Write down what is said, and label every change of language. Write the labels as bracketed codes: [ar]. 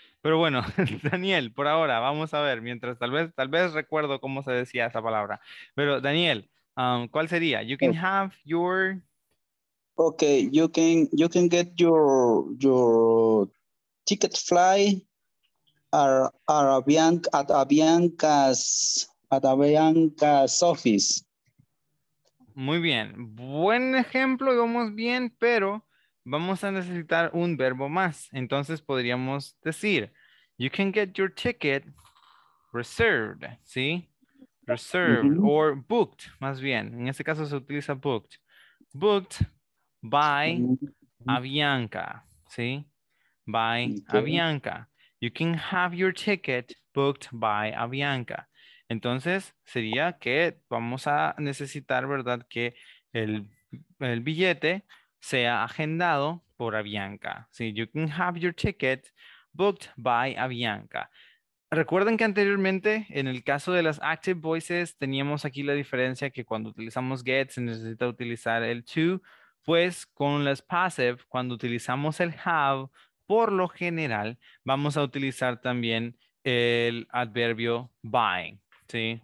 [es] Pero bueno, Daniel, por ahora, vamos a ver. Mientras tal vez recuerdo cómo se decía esa palabra. Pero Daniel, ¿cuál sería? [en] You can have your... Okay, you can get your ticket fly at Avianca's office. [es] Muy bien. Buen ejemplo, vamos bien, pero vamos a necesitar un verbo más. Entonces podríamos decir, [en] you can get your ticket reserved, ¿sí? Reserved or booked, [es] más bien. En este caso se utiliza booked. [en] Booked by Avianca, ¿sí? By Avianca. You can have your ticket booked by Avianca. [es] Entonces, sería que vamos a necesitar, ¿verdad? Que el billete sea agendado por Avianca. ¿Sí? [en] You can have your ticket booked by Avianca. [es] Recuerden que anteriormente, en el caso de las active voices, teníamos aquí la diferencia que cuando utilizamos get, se necesita utilizar el to. Pues con las passive, cuando utilizamos el have, por lo general, vamos a utilizar también el adverbio by, ¿sí?